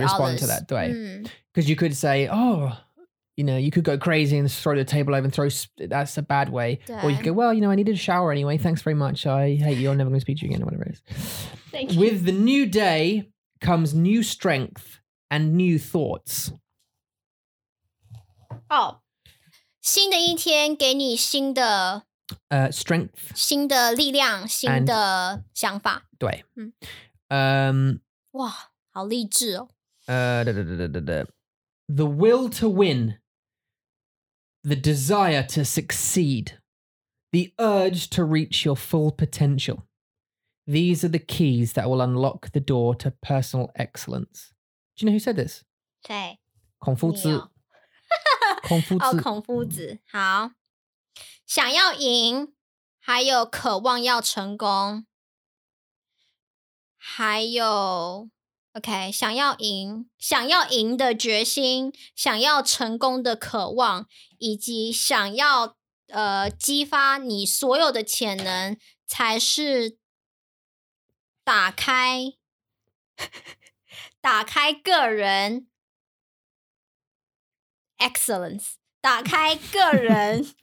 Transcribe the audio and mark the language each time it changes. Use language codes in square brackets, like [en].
[en] respond to that, 对 Because、嗯、you could say Oh, you know, you could go crazy and throw the table over and throw That's a bad way Or you could go, well, you know, I needed a shower anyway Thanks very much, I hate you, I'm never going to speak to you again or whatever it is Thank you With the new day comes new strength and new thoughts [zh] Oh 新的一天给你新的 [en] Strength [zh] 新的力量新的想法对哇好励志哦 [en] The will to win The desire to succeed The urge to reach your full potential These are the keys that will unlock the door to personal excellence Do you know who said this? [zh] 谁孔夫子孔夫子哦孔夫子好想要赢还有渴望要成功还有 OK 想要赢想要赢的决心想要成功的渴望以及想要激发你所有的潜能才是打开个人 excellence 打开个人